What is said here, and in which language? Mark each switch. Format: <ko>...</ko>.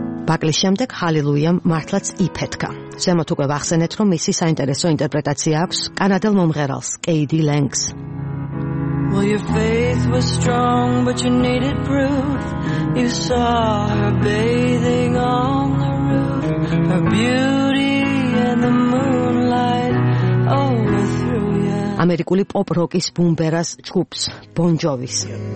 <ka>ბაკლის შემდეგ Halleluja-მ მართლაც იფეთქა. ზემოთ უკვე ვახსენეთ, რომ მისი საინტერესო ინტერპრეტაცია აქვს კანადელ მომღერალს, კეიდი ლენგს.</ka> <en>Well, your faith was strong, but you needed proof. You saw her bathing on the roof. Her beauty and the moonlight overthrew you.</en> <ka>ამერიკული პოპ-როკის ბუმბერას ჯგუფს, Bon Jovi-ს.</ka>